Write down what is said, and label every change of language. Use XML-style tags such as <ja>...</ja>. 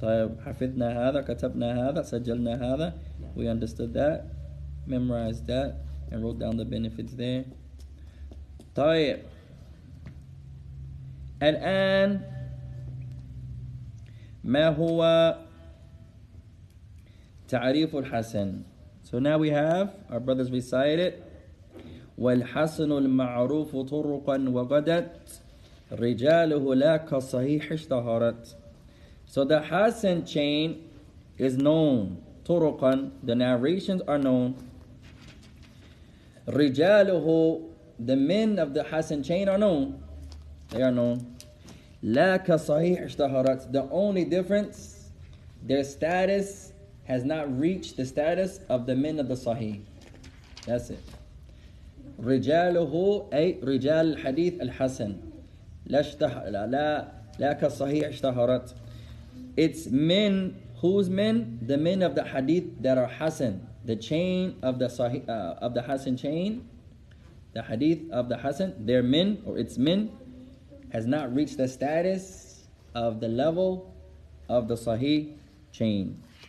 <ar>طيب حفظنا هذا، كتبنا هذا، سجلنا هذا.</ar> <en>No. We understood that, memorized that, and wrote down the benefits there.</en> <ar>طيب الآن ما هو تعريف الحسن؟</ar> <en>So now we have, our brothers recite it.</en> <ar>والحسن المعروف طرقا وغدت رجاله لا كصحيح اشتهرت.</ar> <en>So the Hassan chain is known. طرقا, the narrations are known. رجاله, the men of the Hassan chain are known. They are known.</en> <ar>لا كصحيح اشتهرت.</ar> <en>The only difference, their status has not reached the status of the men of the Sahih. That's it.</en> <ar>رجاله أي رجال الحديث الحسن لا اشتهر لا لا كصحيح اشتهرت.</ar> <en>It's men, whose men, the men of the hadith that are Hassan, the chain of the Sahih of the Hassan chain, the hadith of the Hassan, their men or its men has not reached the status of the level of the Sahih chain.</en>